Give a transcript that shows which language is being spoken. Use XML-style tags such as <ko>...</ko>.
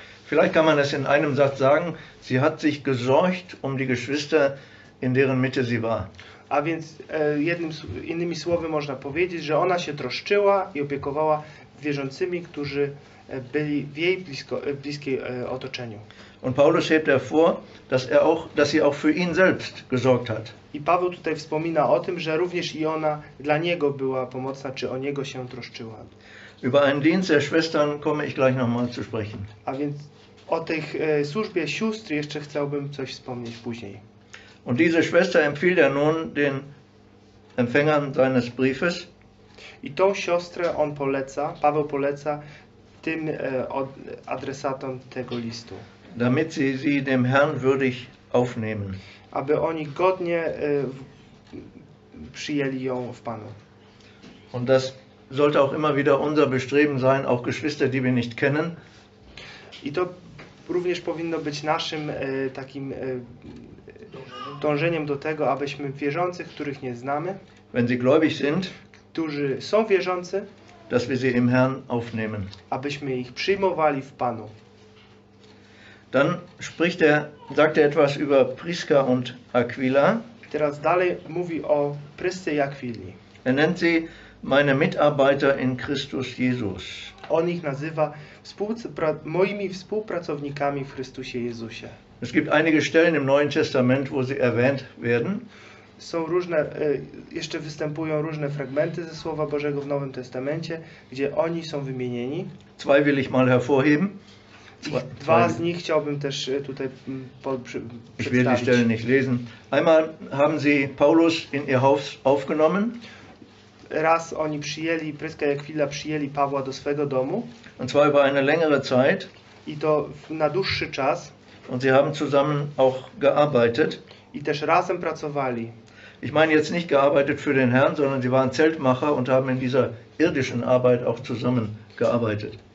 <de>Vielleicht kann man es in einem Satz sagen, sie hat sich gesorgt um die Geschwister, in deren Mitte sie war.</de> <pl>A więc innymi słowy można powiedzieć, że ona się troszczyła i opiekowała wierzącymi, którzy byli w jej bliskiej otoczeniu.</pl> <de>Und Paulus hebt hervor, dass sie auch für ihn selbst gesorgt hat.</de> <pl>I Paweł tutaj wspomina o tym, że również i ona dla niego była pomocna, czy o niego się troszczyła.</pl> <de>Über einen Dienst der Schwestern komme ich gleich nochmal zu sprechen.</de> <pl>A więc O tych służbie sióstr jeszcze chciałbym coś wspomnieć później.</pl> <de>Und diese Schwester empfiehlt nun den Empfängern seines Briefes.</de> <pl>I tą siostrę on poleca, Paweł poleca tym adresatom tego listu.</pl> <de>Damit sie sie dem Herrn würdig aufnehmen.</de> <pl>Aby oni godnie przyjęli ją w Panu.</pl> <de>Und das sollte auch immer wieder unser Bestreben sein, auch Geschwister, die wir nicht kennen.</de> <pl>I to również powinno być naszym takim dążeniem do tego, abyśmy wierzących, których nie znamy,</pl> <de>wenn sie gläubig sind,</de> <pl>którzy są wierzący,</pl> <de>dass wir sie im Herrn aufnehmen.</de> <pl>Abyśmy ich przyjmowali w Panu.</pl> <de>Dann spricht er, sagt er etwas über Priska und Aquila.</de> <pl>Teraz dalej mówi o Prysce i Aquili.</pl> <de>Er nennt sie meine Mitarbeiter in Christus Jesus.</de> <pl>On ich nazywa moimi współpracownikami w Chrystusie Jezusie.</pl> <de>Es gibt einige Stellen im Neuen Testament, wo sie erwähnt werden.</de> <pl>Są różne, jeszcze występują różne fragmenty ze Słowa Bożego w Nowym Testamencie, gdzie oni są wymienieni.</pl> <de>Zwei will ich mal hervorheben.</de> <pl>Dwa z nich chciałbym też tutaj przedstawić.</pl> <de>Ich will die Stellen nicht lesen. Einmal haben sie Paulus in ihr Haus aufgenommen.</de> <pl>Raz oni przyjęli, Pryska i Aquila przyjęli Pawła do swego domu.</pl> <de>Und zwar über eine längere Zeit.</de> <pl>I to na dłuższy czas.</pl> <de>Und sie haben zusammen auch gearbeitet.</de> <pl>I też razem pracowali.</pl> <de>Ich meine jetzt nicht gearbeitet für den Herrn, sondern sie waren Zeltmacher und haben in dieser irdischen Arbeit auch zusammen gearbeitet.</de>